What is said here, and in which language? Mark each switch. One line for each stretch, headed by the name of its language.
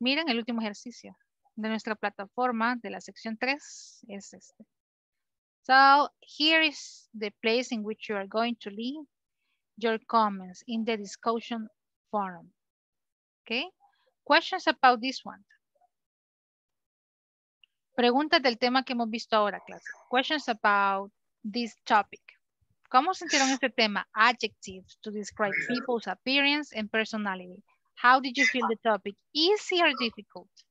Spanish: Miren el último ejercicio de nuestra plataforma de la sección 3 es este.
English: So, here is the place in which you are going to leave your comments in the discussion forum. Okay? Questions about this one.
Spanish: Preguntas del tema que hemos visto ahora, clase.
English: Questions about this topic.
Spanish: ¿Cómo sintieron este tema?
English: Adjectives to describe people's appearance and personality. How did you feel the topic? Easy or difficult?